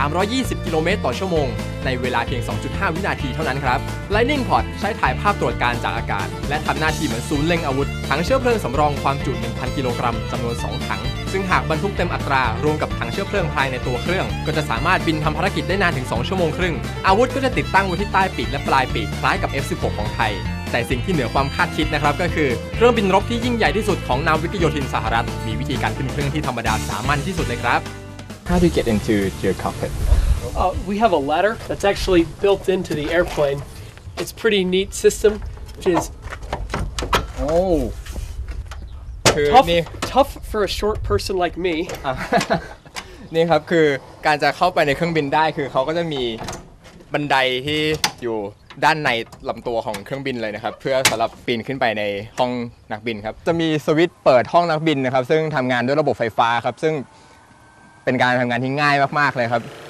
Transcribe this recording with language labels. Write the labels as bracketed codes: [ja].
[th] 320กิโลเมตรต่อชั่วโมงในเวลาเพียง 2.5 วินาทีเท่านั้นครับ Lightning Pod ใช้ถ่ายภาพตรวจการจากอากาศและทำหน้าที่เหมือนศูนย์เล็งอาวุธถังเชื้อเพลิงสำรองความจุ 1,000 กิโลกรัมจำนวน2ถังซึ่งหากบรรทุกเต็มอัตรารวมกับถังเชื้อเพลิงภายในตัวเครื่องก็จะสามารถบินทำภารกิจได้นานถึง2ชั่วโมงครึ่งอาวุธก็จะติดตั้งไว้ที่ใต้ปีกและปลายปีกคล้ายกับ F-16 ของไทยแต่สิ่งที่เหนือความคาดคิดนะครับก็คือเครื่องบินรบที่ยิ่งใหญ่ที่สุดของนาวิกโยธินสหรัฐมีวิธีการขึ้นเครื่องที่ธรรมดาสามัญที่สุดเลยครับ [en] How do you get into your cockpit? We have a ladder that's actually built into the airplane. It's pretty neat system, which is tough for a short person like me. [th] นี่ครับคือการจะเข้าไปในเครื่องบินได้คือเขาก็จะมีบันไดที่อยู่ด้านในลำตัวของเครื่องบินเลยนะครับเพื่อสำหรับปีนขึ้นไปในห้องนักบินครับจะมีสวิตช์เปิดห้องนักบินนะครับซึ่งทำงานด้วยระบบไฟฟ้าครับซึ่งเป็นการทำงานที่ง่ายมากๆเลยครับ